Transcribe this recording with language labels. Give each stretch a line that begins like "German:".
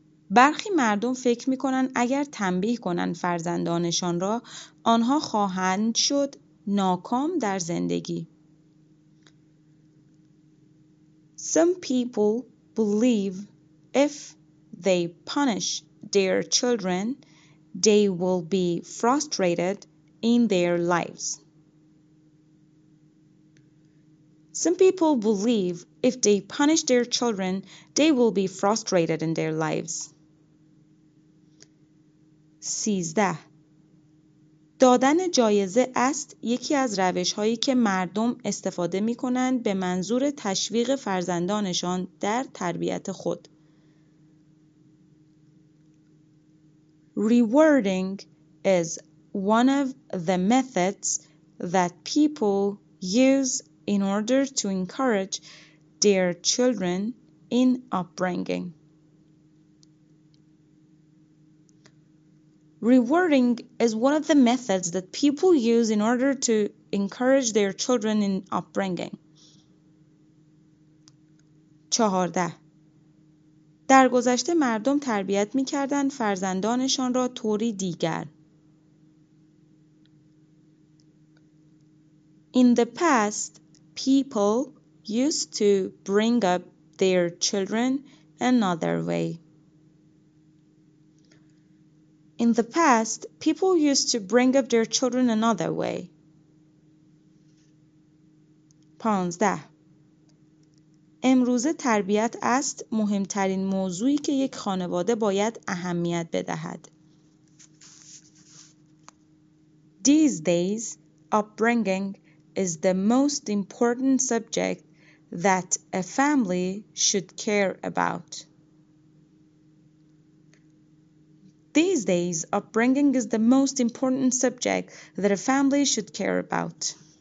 Persian: برخی مردم فکر می‌کنند اگر تنبیه کنند فرزندانشان را، آنها خواهند شد ناکام در زندگی.
English: Some people believe if they punish their children, they will be frustrated in their lives. Some people believe if they punish their children, they will be frustrated in their lives. 13.
Persian: دادن جایزه است یکی از روش‌هایی که مردم استفاده می‌کنند به منظور تشویق فرزندانشان در تربیت خود.
English: Rewarding is one of the methods that people use in order to encourage their children in upbringing. Rewarding is one of the methods that people use in order to encourage their children in upbringing. 14.
Persian: در گذشته مردم تربیت می‌کردند فرزندانشان را طوری دیگر.
English: In the past, people used to bring up their children another way. In the past, people used to bring up their children another way. 15.
Persian: امروز تربیت است مهمترین موضوعی که یک خانواده باید اهمیت بدهد.
English: These days, upbringing is the most important subject that a family should care about. These days, upbringing is the most important subject that a family should care about.